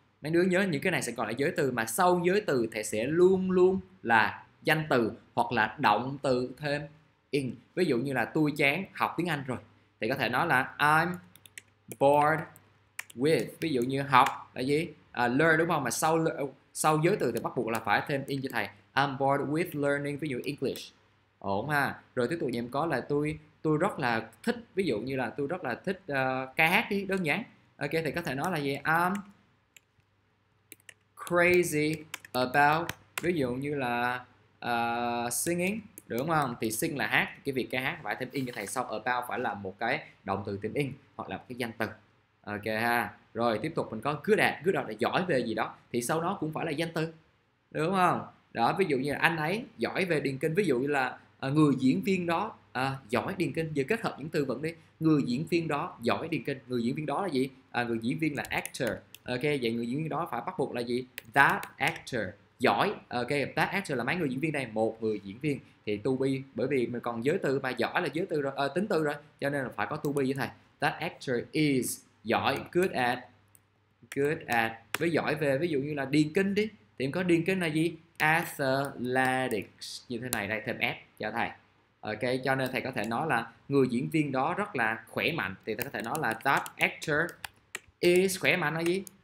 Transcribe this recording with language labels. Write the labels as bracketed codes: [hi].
[vi] Mấy đứa nhớ những cái này sẽ gọi là giới từ, mà sau giới từ thầy sẽ luôn luôn là danh từ hoặc là động từ thêm in. Ví dụ như là tôi chán học tiếng Anh rồi thì có thể nói là [en] I'm bored with. [vi] Ví dụ như học là gì? Learn, đúng không? Mà sau sau giới từ thì bắt buộc là phải thêm in cho thầy. [en] I'm bored with learning, [vi] ví dụ [en] English. [vi] Ổn ha. Rồi tiếp tục em có là tôi rất là thích, ví dụ như là tôi rất là thích ca hát đi, đơn giản. Ok, thì có thể nói là gì? [en] I'm crazy about, [vi] ví dụ như là singing, đúng không? Thì sing là hát, cái việc ca hát phải thêm in cho thầy. Sau about phải là một cái động từ thêm in hoặc là một cái danh từ. Ok ha. Rồi tiếp tục mình có good at. Good at là giỏi về gì đó thì sau đó cũng phải là danh từ, đúng không? Đó, ví dụ như là anh ấy giỏi về điền kinh. Ví dụ như là người diễn viên đó giỏi điền kinh. Giờ kết hợp những từ vựng đi. Người diễn viên đó giỏi điền kinh. Người diễn viên đó là gì? Người diễn viên là actor. Ok, vậy người diễn viên đó phải bắt buộc là gì? [en] That actor [vi] giỏi. Ok, that actor là mấy người diễn viên đây? Một người diễn viên. Thì to be, bởi vì mình còn giới từ mà giỏi là giới từ rồi, tính từ rồi, cho nên là phải có to be với thầy. [en] That actor is [vi] giỏi, [en] good at. [vi] Với giỏi về, ví dụ như là điền kinh đi, thì em có điền kinh là gì? Athletics, như thế này đây, thêm s cho thầy. Okay, cho nên thầy có thể nói là người diễn viên đó rất là khỏe mạnh. Thì thầy có thể nói là [en] that actor is [vi] khỏe mạnh là gì?